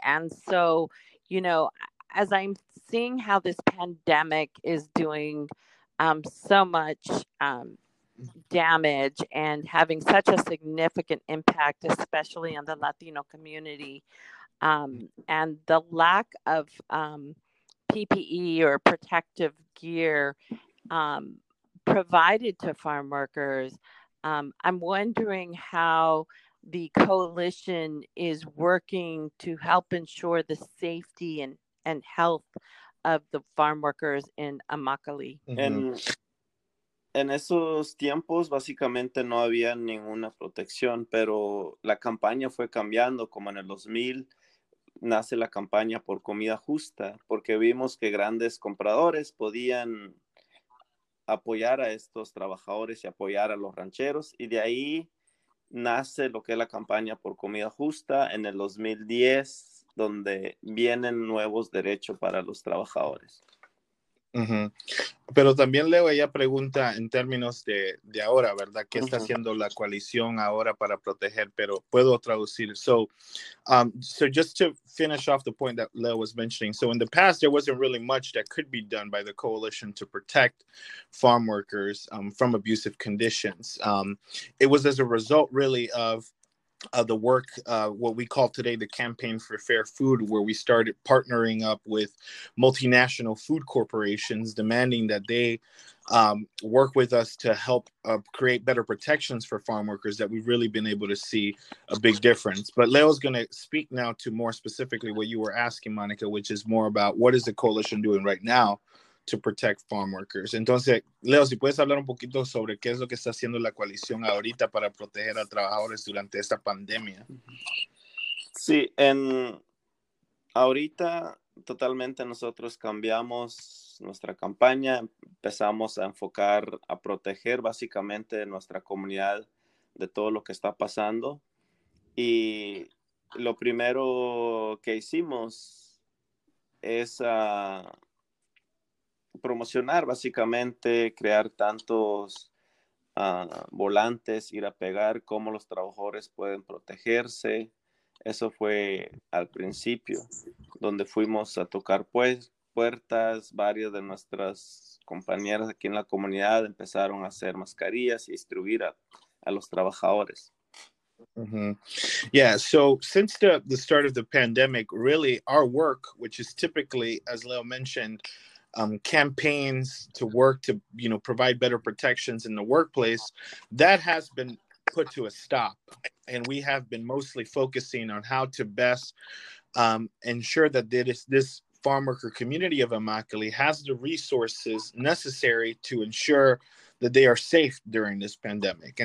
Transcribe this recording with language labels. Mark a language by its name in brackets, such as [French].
[English] And so, you know, as I'm seeing how this pandemic is doing so much damage and having such a significant impact, especially on the Latino community, and the lack of PPE or protective gear provided to farm workers, I'm wondering how the coalition is working to help ensure the safety and health of the farm workers in Immokalee. [Spanish] En esos tiempos básicamente no había ninguna protección, pero la campaña fue cambiando. Como en el 2000 nace la campaña por comida justa, porque vimos que grandes compradores podían apoyar a estos trabajadores y apoyar a los rancheros, y de ahí nace lo que es la campaña por comida justa en el 2010, donde vienen nuevos derechos para los trabajadores. Pero también Leo, ella pregunta en términos de ahora, ¿verdad? ¿Qué está haciendo la coalición ahora para proteger? Pero puedo traducir. [English] So just to finish off the point that Leo was mentioning. So in the past, there wasn't really much that could be done by the coalition to protect farm workers from abusive conditions. It was as a result really of the work, what we call today the Campaign for Fair Food, where we started partnering up with multinational food corporations, demanding that they work with us to help create better protections for farm workers, that we've really been able to see a big difference. But Leo's going to speak now to more specifically what you were asking, Monica, which is more about what is the coalition doing right now to protect farm workers. [Spanish] Entonces, Leo, si puedes hablar un poquito sobre qué es lo que está haciendo la coalición ahorita para proteger a trabajadores durante esta pandemia. Sí, en ahorita totalmente nosotros cambiamos nuestra campaña, empezamos a enfocar a proteger básicamente nuestra comunidad de todo lo que está pasando. Y lo primero que hicimos es a promocionar básicamente, crear tantos volantes, ir a pegar, cómo los trabajadores pueden protegerse. Eso fue al principio, donde fuimos a tocar puertas. Varias de nuestras compañeras aquí en la comunidad empezaron a hacer mascarillas y distribuir a los trabajadores. [English] Yeah, so since the start of the pandemic, really our work, which is typically, as Leo mentioned, campaigns to work to, you know, provide better protections in the workplace, that has been put to a stop. And we have been mostly focusing on how to best ensure that this farm worker community of Immokalee has the resources necessary to ensure that they are safe during this pandemic.